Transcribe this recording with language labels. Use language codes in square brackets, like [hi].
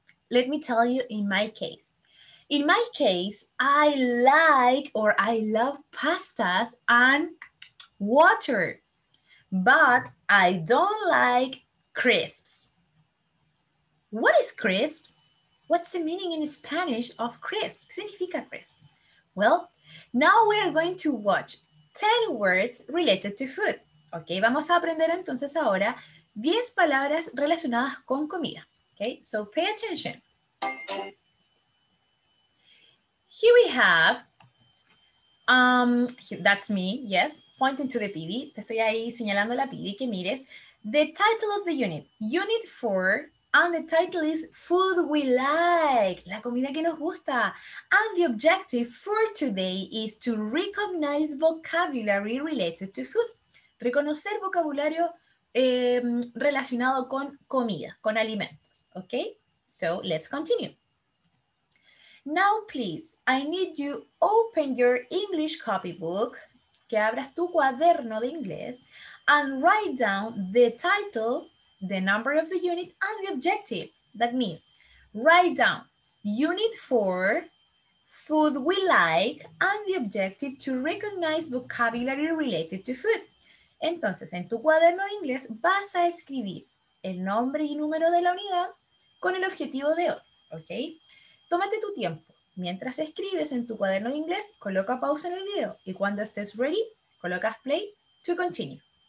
[en] Let me tell you in my case. In my case, I like or I love pastas and water, but I don't like crisps. What is crisps? What's the meaning in Spanish of crisp? [es] ¿Qué significa crisp? [en] Well, now we are going to watch 10 words related to food. [es] Okay, vamos a aprender entonces ahora 10 palabras relacionadas con comida. [en] Okay, so pay attention. Here we have, that's me, yes, pointing to the PB. [es] Te estoy ahí señalando la PB que mires. [en] The title of the unit, Unit 4, and the title is Food We Like, [es] la comida que nos gusta. [en] And the objective for today is to recognize vocabulary related to food. [es] Reconocer vocabulario relacionado con comida, con alimentos, okay? [en] So let's continue. Now please, I need you open your English copybook, [es] que abras tu cuaderno de inglés, [en] and write down the title, the number of the unit, and the objective. That means, write down Unit 4, Food We Like, and the objective to recognize vocabulary related to food. [es] Entonces, en tu cuaderno de inglés vas a escribir el nombre y número de la unidad con el objetivo de hoy, ¿ok? Tómate tu tiempo. Mientras escribes en tu cuaderno de inglés, coloca pausa en el video y cuando estés ready, colocas [en] play to continue.